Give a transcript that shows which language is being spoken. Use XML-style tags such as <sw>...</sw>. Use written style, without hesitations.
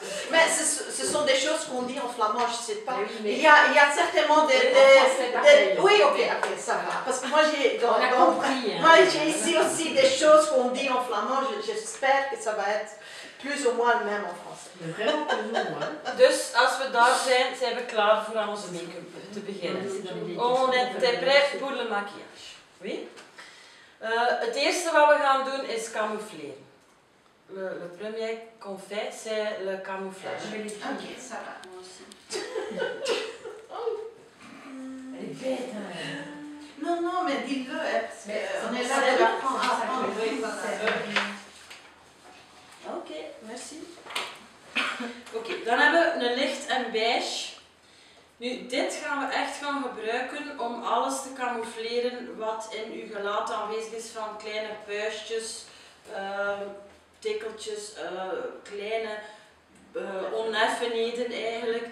<fr>Mais ce sont des choses qu'on dit en flamand, je ne sais pas. Il y a certainement des... Oui, ok, ça va. Parce que moi, j'ai ici aussi des choses qu'on dit en flamand, j'espère que ça va être... Plus ou moins le même en français.</fr> <nl>Dus als we daar zijn, zijn we klaar voor aan onze make-up te beginnen.</nl> <fr>On est prêt pour le maquillage. Oui?</fr> <nl>Het eerste wat we gaan doen is camoufleren.</nl> <fr>Le premier qu'on fait, c'est le camouflage. Oké, ça va. Elle est bête. Non, mais dis-le. On est là pour apprendre. Oké, merci.</fr> <nl>Oké, dan hebben we een licht en beige. Nu, dit gaan we echt gaan gebruiken om alles te camoufleren wat in uw gelaat aanwezig is. Van kleine puistjes, tikkeltjes, kleine oneffenheden eigenlijk.</nl>